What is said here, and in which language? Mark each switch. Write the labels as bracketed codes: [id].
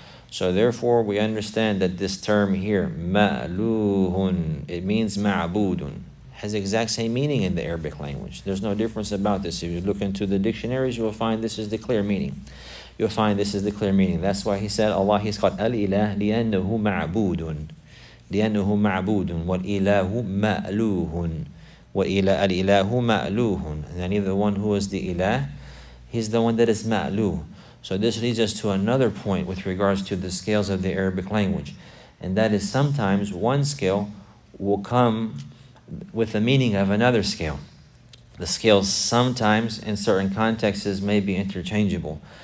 [en] So therefore we understand that this term here, ma'luhun, it means ma'budun, has exact same meaning in the Arabic language. There's no difference about this. If you look into the dictionaries, you'll find this is the clear meaning. That's why he said Allah, he's called [ar] al-ilah li'annahu ma'budun. لأنه معبود والإله مألوه وإلى الإله مألوه. [en] يعني the one who is the إله, he's the one that is مألوه. So this leads us to another point with regards to the scales of the Arabic language. And that is sometimes one scale will come with the meaning of another scale. The scales sometimes in certain contexts may be interchangeable.